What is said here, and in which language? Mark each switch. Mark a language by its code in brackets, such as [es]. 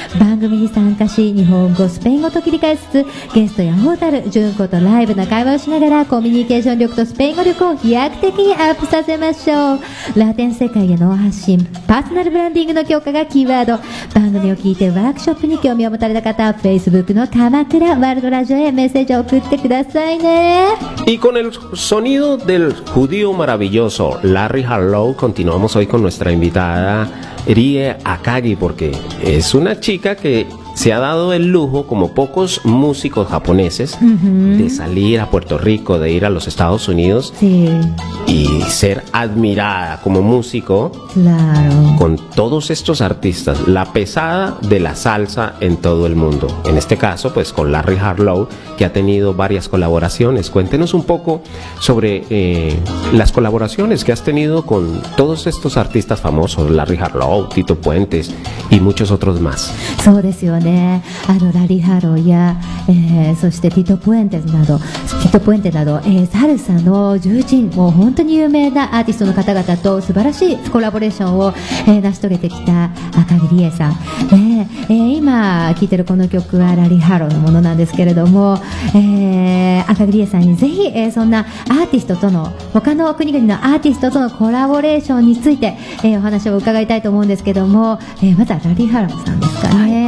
[ja] 番組に参加し日本語、スペイン語と切り替えつつ、ゲストやホータル、ジュンコとライブな会話をしながらコミュニケーション力とスペイン語力を飛躍的にアップさせましょう。ラテン世界への発信、パーソナルブランディングの強化がキーワード。番組を聞いてワークショップに興味を持たれた方は Facebook の鎌倉ワールドラジオへメッセージを送ってくださいね。 [es] Y con el sonido del judío maravilloso Larry Harlow, continuamos hoy con nuestra invitada Rie Akagi, porque es una chica que se ha dado el lujo, como pocos músicos japoneses, de salir a Puerto Rico, de ir a los Estados Unidos y ser admirada como músico con todos estos artistas, la pesada de la salsa en todo el mundo. En este caso, pues con Larry Harlow, que ha tenido varias colaboraciones. Cuéntenos un poco sobre las colaboraciones que has tenido con todos estos artistas famosos, Larry Harlow, Tito Puentes y muchos otros más. [ja] そうですよね。ラリー・ハローや、そしてティト・プエンテスなど、ヒットポイントなど、サルサの重鎮、もう本当に有名なアーティストの方々と素晴らしいコラボレーションを、成し遂げてきた赤木理恵さん、今聴いてるこの曲はラリーハローのものなんですけれども、赤木理恵さんにぜひ、そんなアーティストとの他の国々のアーティストとのコラボレーションについて、お話を伺いたいと思うんですけども、まずはラリーハローさんですかね、